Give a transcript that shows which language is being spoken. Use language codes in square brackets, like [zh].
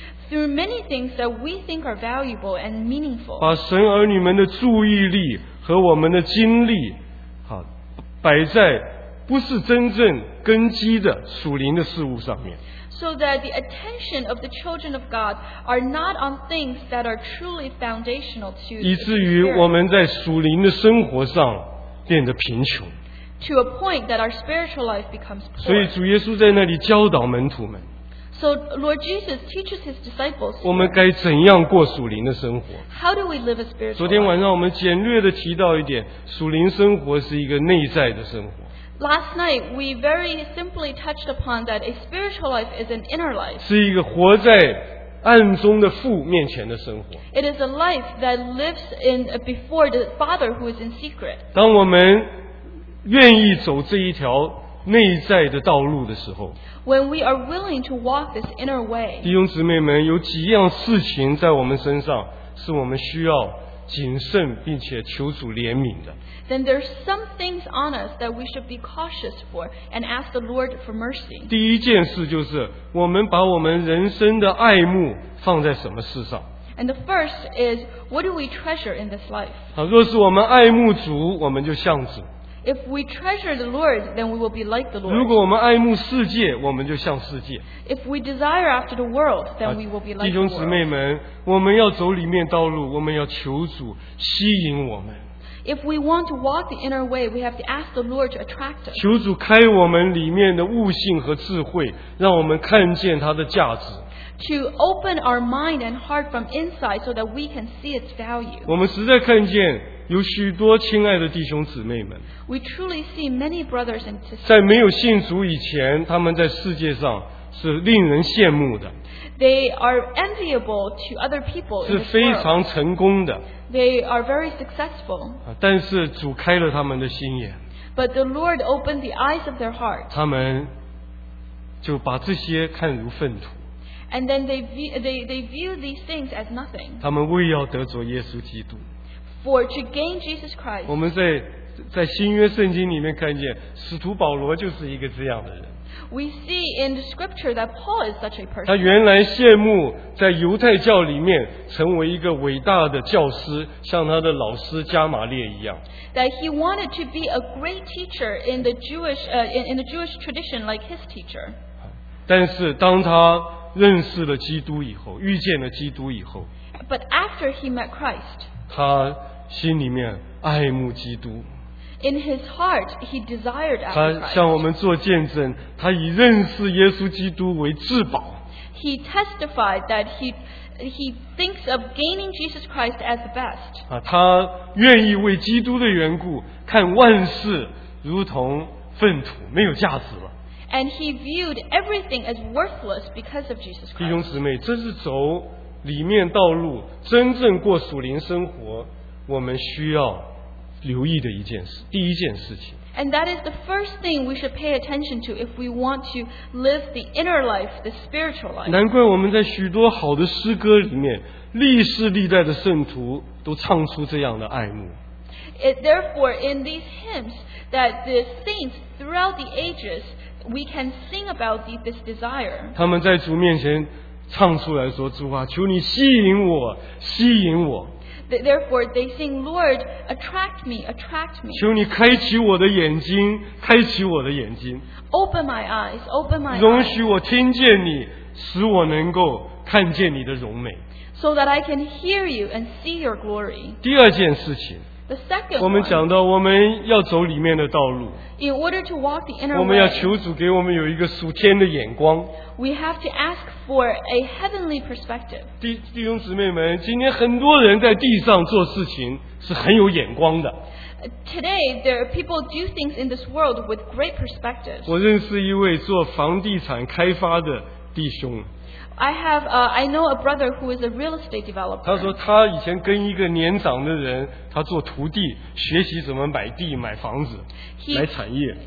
[en] Through many things that we think are valuable and meaningful. [zh] 把神儿女们的注意力和我们的精力，摆在不是真正根基的属灵的事物上面。 [en] So that the attention of the children of God are not on things that are truly foundational to the [zh] 以至于我们在属灵的生活上变得贫穷。 [en] To a point that our spiritual life becomes poor. [zh] 所以主耶稣在那里教导门徒们。 [en] So Lord Jesus teaches his disciples. [zh] 我们该怎样过属灵的生活？ [en] How do we live a spiritual? [zh] 昨天晚上我们简略的提到一点，属灵生活是一个内在的生活。 [en] Last night we very simply touched upon that a spiritual life is an inner life. [zh] 是一个活在暗中的父面前的生活。 [en] It is a life that lives in before the Father who is in secret. [zh] 当我们愿意走这一条内在的道路的时候， [en] When we are willing to walk this inner way, [zh] 弟兄姊妹们，有几样事情在我们身上是我们需要谨慎并且求主怜悯的。 [en] Then there are some things on us that we should be cautious for and ask the Lord for mercy. [zh] 第一件事就是我们把我们人生的爱慕放在什么事上。 [en] And the first is, what do we treasure in this life? [zh] 若是我们爱慕主，我们就像主。 [en] If we treasure the Lord, then we will be like the Lord. [zh] 如果我们爱慕世界，我们就像世界。 [en] If we desire after the world, then we will be like the world. [zh] 弟兄姊妹们，我们要走里面道路，我们要求主吸引我们。 [en] If we want to walk the inner way, we have to ask the Lord to attract us. [zh] 求主开我们里面的悟性和智慧，让我们看见它的价值。 [en] To open our mind and heart from inside so that we can see its value. [zh] 我们实在看见有许多亲爱的弟兄姊妹们。 [en] We truly see many brothers and sisters. [zh] 在没有信主以前，他们在世界上是令人羡慕的。 [en] They are enviable to other people. [zh] 是非常成功的。 [en] They are very successful. [zh] 但是主开了他们的心眼。 [en] But the Lord opened the eyes of their heart. [zh] 他们就把这些看如粪土。 [en] And then they view these things as nothing. [zh] 他们为要得着耶稣基督。 [en] For to gain Jesus Christ. [zh] 我们在新约圣经里面看见使徒保罗就是一个这样的人。 [en] We see in the scripture that Paul is such a person. [zh] 他原来羡慕在犹太教里面成为一个伟大的教师，像他的老师加马列一样。 [en] That he wanted to be a great teacher in the Jewish, in the Jewish tradition like his teacher. [zh] 但是当他认识了基督以后，遇见了基督以后， [en] But after he met Christ, [zh] 他心里面爱慕基督。 [en] In his heart, he desired after Christ. [zh] 他向我们做见证，他以认识耶稣基督为至宝。 [en] He testified that he thinks of gaining Jesus Christ as the best. [zh] 他愿意为基督的缘故，看万事如同粪土，没有价值了。 [en] And he viewed everything as worthless because of Jesus Christ. [zh] 弟兄姊妹，这是走里面道路，真正过属灵生活，我们需要留意的一件事，第一件事情。 [en] And that is the first thing we should pay attention to if we want to live the inner life, the spiritual life. [zh] 难怪我们在许多好的诗歌里面，历世历代的圣徒都唱出这样的爱慕。 [en] It, therefore, in these hymns, that the saints throughout the ages. We can sing about this desire. [zh] 他们在主面前唱出来说：“主啊，求你吸引我，吸引我。” [en] Therefore, they sing, "Lord, attract me, attract me." [zh] 求你开启我的眼睛，开启我的眼睛。 [en] Open my eyes, open my eyes. [zh] 容许我听见你，使我能够看见你的荣美。 [en] So that I can hear you and see your glory. [zh] 第二件事情。 [en] The second one, [zh] 我们讲到我们要走里面的道路， [en] In order to walk the inner way, [zh] 我们要求主给我们有一个属天的眼光。 [en] We have to ask for a heavenly perspective. [zh] 弟兄姊妹们，今天很多人在地上做事情是很有眼光的。 [en] Today, there are people do things in this world with great perspectives. [zh] 我认识一位做房地产开发的弟兄。 [en] I know a brother who is a real estate developer. [zh] 他说他以前跟一个年长的人，他做徒弟，学习怎么买地买房子，买产业。